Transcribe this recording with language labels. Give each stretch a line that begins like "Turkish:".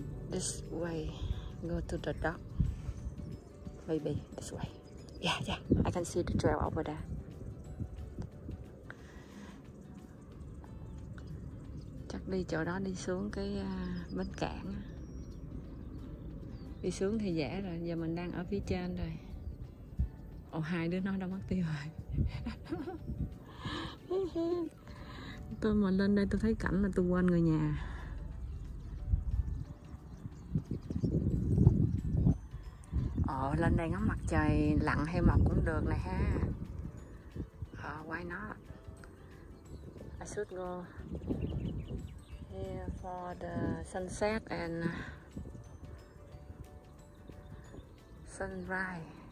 English: This way, go to the dock. Maybe this way. Yeah, yeah, I can see the trail over there.
Vietnamese: Chắc đi chỗ đó, đi xuống cái bến cảng. Đi xuống thì dễ rồi, giờ mình đang ở phía trên rồi. Ồ, hai đứa nó đâu mất tiêu rồi. Tôi mà lên đây tôi thấy cảnh là tôi quên người nhà. Ồ, lên đây ngắm mặt trời lặn hay mọc cũng được này ha.
English: Ồ, why not? I should go here for the sunset and sunrise.